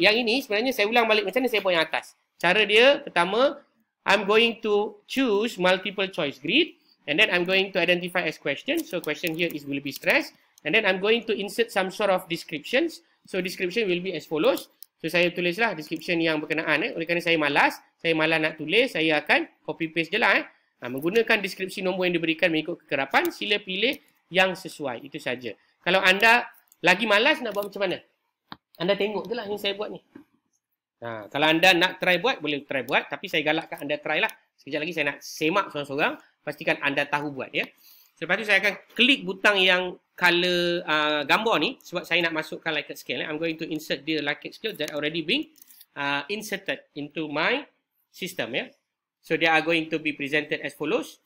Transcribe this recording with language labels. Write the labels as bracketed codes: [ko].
[ms] Yang ini sebenarnya saya ulang balik macam mana saya buat yang atas. Cara dia, pertama, [en] I'm going to choose multiple choice grid, and then I'm going to identify as question. So question here is will be stress, and then I'm going to insert some sort of descriptions. So description will be as follows. [ms] So saya tulislah description yang berkenaan. Oleh kerana saya malas nak tulis, saya akan copy paste je lah. Menggunakan deskripsi nombor yang diberikan mengikut kekerapan, sila pilih yang sesuai. Itu saja. Kalau anda lagi malas nak buat macam mana? Anda tengok je lah yang saya buat ni. Kalau anda nak try buat, boleh try buat. Tapi saya galakkan anda try lah. Sekejap lagi saya nak semak seorang-seorang. Pastikan anda tahu buat ya. Selepas tu saya akan klik butang yang color gambar ni. Sebab saya nak masukkan Likert scale. [en] I'm going to insert the Likert scale that already being inserted into my system ya. So they are going to be presented as follows.